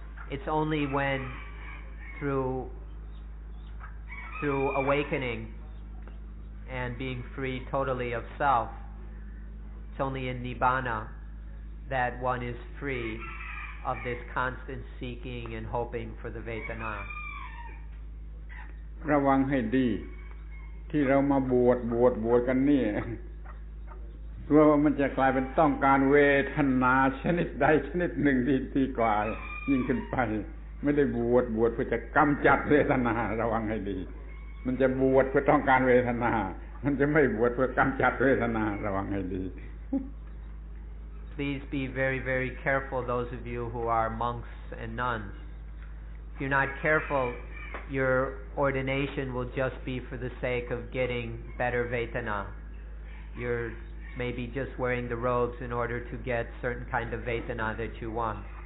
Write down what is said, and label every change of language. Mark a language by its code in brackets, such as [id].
[en] It's only when through awakening and being free totally of self, it's only in nibbana that one is free of this constant seeking and hoping for the vedana. [th] ระวังให้ดีที่เรามาบวชกันนี่ตัวมันจะกลายเป็นต้องการเวทนาชนิดใดชนิดหนึ่งที่กว่ายิ่งขึ้นไปไม่ได้บวชเพื่อจะกำจัดเวทนาระวังให้ดีมันจะบวชเพื่อต้องการเวทนามันจะไม่บวชเพื่อกำจัดเวทนาระวังให้ดี [en] Please be very very careful those of you who are monks and nuns if you're not carefulYour ordination will just be for the sake of getting better vedana. You're maybe just wearing the robes in order to get certain kind of vedana that you want.